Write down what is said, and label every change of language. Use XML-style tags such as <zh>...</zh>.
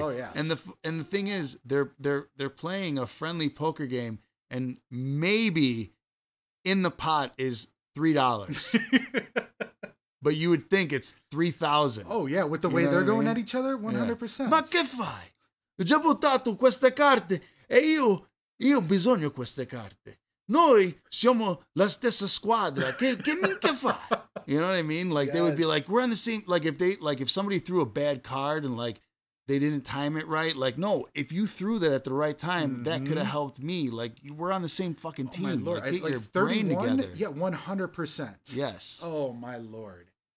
<en>Oh, yeah. And the thing is, they're playing a friendly poker game, and maybe in the pot is $3. But you would think it's $3,000. Oh, yeah. With the way they're going at each other, 100%.</en> <it>Ma che fai? Già buttato queste carte. E io ho bisogno di queste carte. Noi siamo la stessa squadra. Che minchia fa?</it> <en>You know what I mean? Like, yes. They would be like, we're on the same, like, if somebody threw a bad card and, like, they didn't time it right, like, no, if you threw that at the right time, mm-hmm. that could have helped me. Like, we're on the same fucking team. Oh, my Lord. Like, get I, like, your 31? Brain together. Yeah, 100%. Yes. Oh, my Lord.</en>